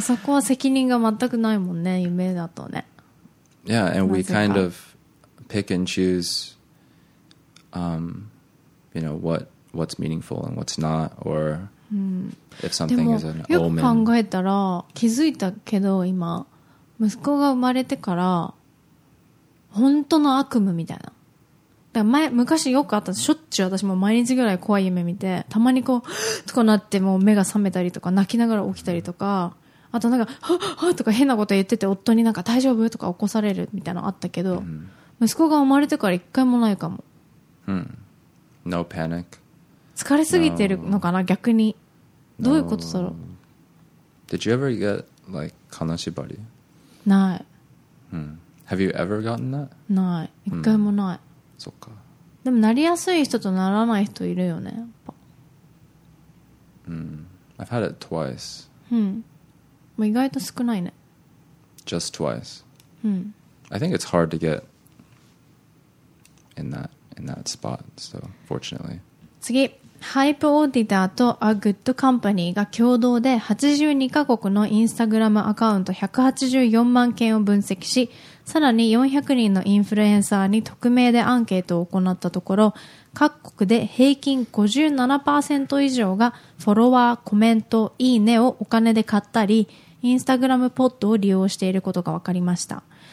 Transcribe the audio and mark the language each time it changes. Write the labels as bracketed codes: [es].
[ja] そこは責任が全くないもんね、夢だとね。 [en] Yeah, and we kind of pick and choose, you know, what's meaningful and what's not, or... If something is an omen. [ja] よく考えたら気づいたけど今息子が生まれてから本当の悪夢みたいな。だから前昔よくあった。しょっちゅう私も毎日ぐらい怖い夢見て、たまにこうとかなってもう目が覚めたりとか泣きながら起きたりとか、あとなんかはっはっとか変なこと言ってて夫になんか大丈夫とか起こされるみたいなあったけど、息子が生まれてから一回もないかも。 [en] No panic. [ja] 疲れすぎてるのかな、no. 逆に。どういうことだろう、 [en] no. Did you ever get, like, 金縛り? [ja] ない。 [en] Have you ever gotten that? [ja] ない。一回もない。そっか。でも、なりやすい人とならない人いるよね、やっぱ。 [en] I've had it twice. [ja] もう意外と少ないね。 [en] Just twice. I think it's hard to get in that spot, so, fortunately. [ja] 次、ハイプオーディターとアグッドカンパニーが共同で82カ国のインスタグラムアカウント184万件を分析し、さらに400人のインフルエンサーに匿名でアンケートを行ったところ、各国で平均 57% 以上がフォロワー、コメント、いいねをお金で買ったり、インスタグラムポットを利用していることが分かりました。